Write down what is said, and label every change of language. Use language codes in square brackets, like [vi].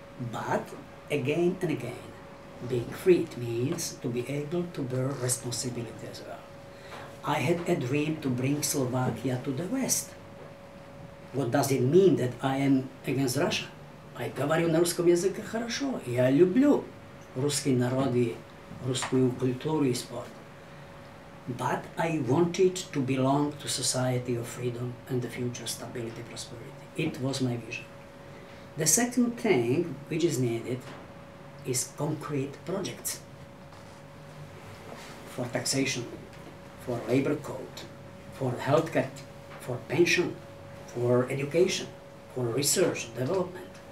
[en] But again and again, being free, it means to be able to bear responsibility as well. I had a dream to bring Slovakia to the West. What does it mean that I am against Russia? [ru] I говорю на русском языке хорошо. Я люблю русский народ и русскую культуру и спорт. [en] But I wanted to belong to society of freedom and the future stability, prosperity. It was my vision. The second thing which is needed is concrete projects for taxation, for labor code, for healthcare, for pension, for education, for research, development.